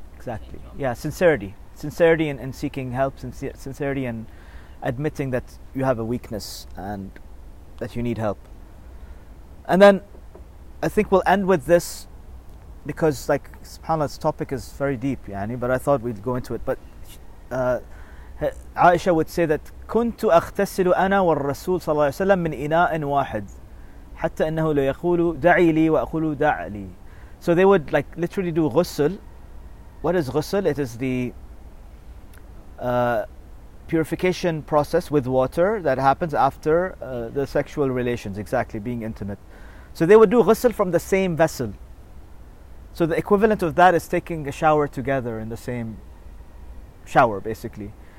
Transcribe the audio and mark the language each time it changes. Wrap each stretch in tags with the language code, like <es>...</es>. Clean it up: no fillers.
<en>Exactly. Yeah, sincerity. Sincerity in seeking help, sincerity in admitting that you have a weakness and that you need help. And then I think we'll end with this because, like, subhanAllah's topic is very deep, yani, but I thought we'd go into it. But Aisha would say that</en> <ar>كنت أغتسل أنا والرسول صلى الله عليه وسلم من إناء واحد حتى أنه لا يقول دعي لي وأقول دع لي.</ar> <en>So they would like literally do غسل. What is غسل? It is the purification process with water that happens after the sexual relations, exactly, being intimate. So they would do غسل from the same vessel. So the equivalent of that is taking a shower together in the same shower, basically.</en>